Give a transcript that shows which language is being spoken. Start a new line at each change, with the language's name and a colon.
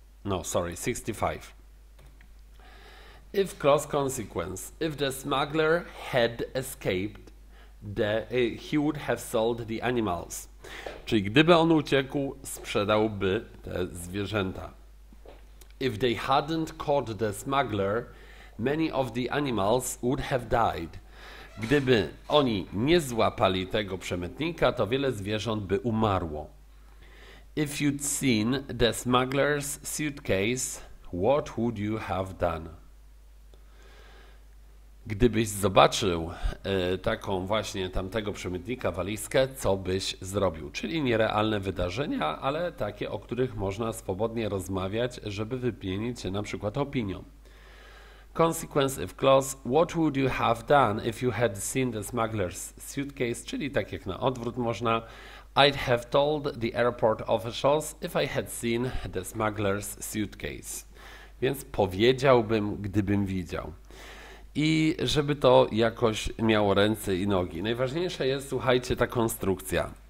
English: 65. If close consequence, if the smuggler had escaped, he would have sold the animals.
Polish: Czyli gdyby on uciekł, sprzedałby te zwierzęta.
English: If they hadn't caught the smuggler, many of the animals would have died.
Polish: Gdyby oni nie złapali tego przemytnika, to wiele zwierząt by umarło.
English: If you'd seen the smuggler's suitcase, what would you have done?
Polish: Gdybyś zobaczył taką właśnie tamtego przemytnika walizkę, co byś zrobił? Czyli nierealne wydarzenia, ale takie, o których można swobodnie rozmawiać, żeby wymienić się na przykład opinią.
English: Consequence if close, what would you have done if you had seen the smuggler's suitcase?
Polish: Czyli tak jak na odwrót można.
English: I'd have told the airport officials if I had seen the smuggler's suitcase.
Polish: Więc powiedziałbym, gdybym widział. I żeby to jakoś miało ręce i nogi. Najważniejsza jest, słuchajcie, ta konstrukcja.